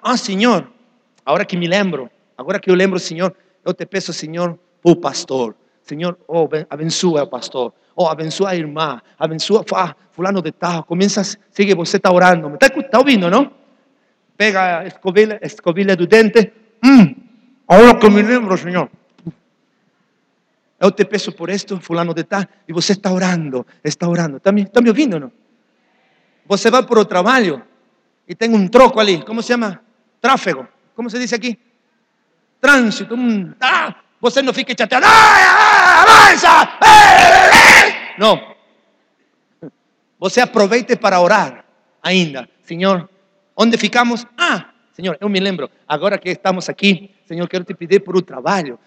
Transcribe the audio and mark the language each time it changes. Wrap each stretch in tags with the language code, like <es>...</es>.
<pt>Ah, Senhor, agora que me lembro, agora que eu lembro, Senhor, eu te peço, Senhor, o pastor. Senhor, oh, abençoa o pastor. Oh, abençoa a irmã. Abençoa fulano de tal. Começa, sigue, você está orando. Está ouvindo, não? Pega a escovilha do dente.</pt> <es>Ahora que me lembro, Señor. Yo te peso por esto, fulano de tal.</es> <pt>Y você está orando, está orando.</pt> <es>¿Está me oyendo o no? Você va por el trabajo y tengo un troco allí. ¿Cómo se llama? Tráfego. ¿Cómo se dice aquí? Tránsito.</es> <pt>você não fica chateando. Avança! Não. Você aproveite para orar ainda. Senhor, onde ficamos? Ah, Senhor, eu me lembro. Agora que estamos aqui, Senhor, quero te pedir por o trabalho.</pt>